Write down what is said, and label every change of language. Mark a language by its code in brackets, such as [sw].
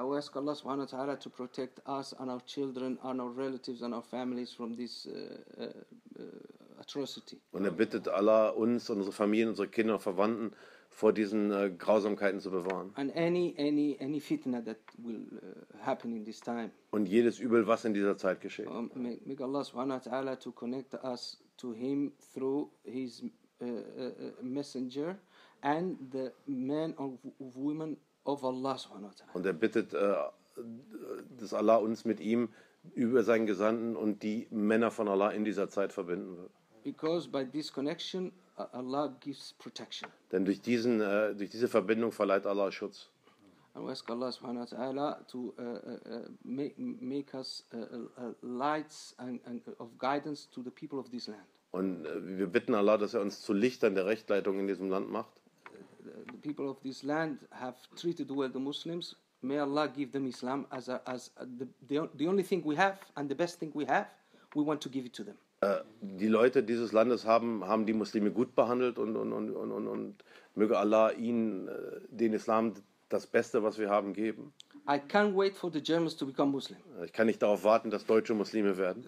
[en] I ask Allah subhanahu wa ta'ala to protect us and our children and our relatives and our families from this atrocity. [de] Und er bittet Allah, uns, unsere Familien, unsere Kinder, Verwandten vor diesen Grausamkeiten zu bewahren. [en] And any fitna that will happen in this time. [de] Und jedes Übel, was in dieser Zeit geschieht. [en] Make Allah subhanahu wa ta'ala to connect us to him through his messenger and the men or women of Allah subhanahu wa ta'ala. [de] Und er bittet, dass Allah uns mit ihm über seinen Gesandten und die Männer von Allah in dieser Zeit verbinden wird. [en] Because by this connection, Allah gives protection. [de] Denn durch diese Verbindung verleiht Allah Schutz. [en] And we ask Allah subhanahu wa ta'ala to make us lights and of guidance to the people of this land. [de] Und wir bitten Allah, dass er uns zu Lichtern der Rechtleitung in diesem Land macht. [en] The people of this land have treated well the Muslims. May Allah give them Islam as the only thing we have and the best thing we have. We want to give it to them. [de] Die Leute dieses Landes haben die Muslime gut behandelt und möge Allah ihnen den Islam das Beste, was wir haben, geben. [en] I can't wait for the Germans to become Muslim. [de] Ich kann nicht darauf warten, dass Deutsche Muslime werden.